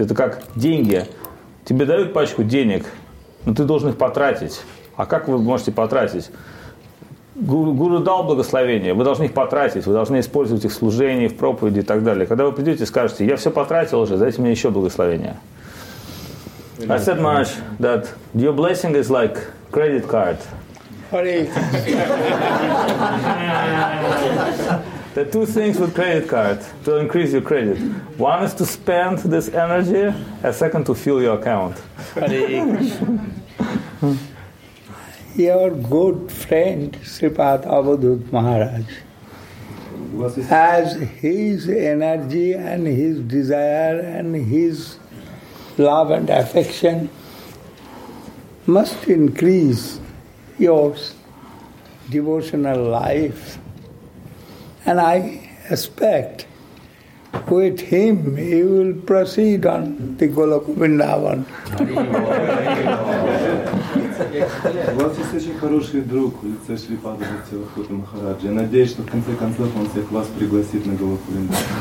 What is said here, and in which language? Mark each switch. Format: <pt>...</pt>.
<ru>Это как деньги. Тебе дают пачку денег, но ты должен их потратить. А как вы можете потратить? Гуру дал благословение, вы должны их потратить, вы должны использовать их в служении, в проповеди и так далее. Когда вы придете и скажете, я все потратил уже, дайте мне еще благословение.</ru> <en>I said, Maharaj, that your blessing is like credit card. The two things with credit card to increase your credit. One is to spend this energy, a second to fill your account. Your good friend, Sri Padavadut Maharaj, has his energy and his desire and his love and affection must increase your devotional life. And I expect with him he will proceed on the Goloka Vrindavan.</en> <ru>У вас есть очень хороший друг в лице Шри Падмавати Вахута Махараджи. Я надеюсь, что в конце концов он всех вас пригласит на Голоку Вриндаван.</ru>